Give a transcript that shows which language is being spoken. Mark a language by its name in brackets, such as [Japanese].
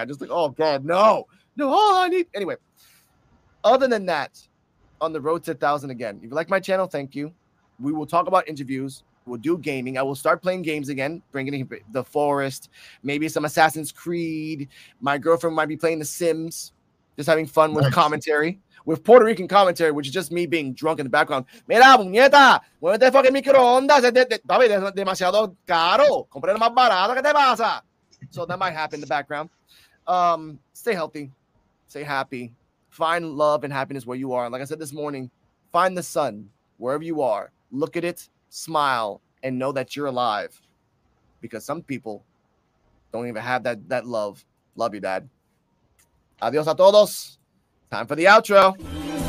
[English] I'm just like, oh, God, no, all I need. Anyway, other than that, on the road to 1,000 again, if you like my channel, thank you. We will talk about interviews. We'll do gaming. I will start playing games again, bringing in The Forest, maybe some Assassin's Creed. My girlfriend might be playing The Sims, just having fun with commentary. With Puerto Rican commentary, which is just me being drunk in the background. [Spanish] Mira, muñeca, ¿dónde te fucking microondas? Papi, es demasiado caro. Compré más barato. ¿Qué te pasa? [English] So that might happen in the background. Stay healthy. Stay happy. Find love and happiness where you are. And like I said this morning, find the sun wherever you are. Look at it, smile, and know that you're alive. Because some people don't even have that love. Love you, Dad. [Spanish] Adios a todos. [English] Time for the outro.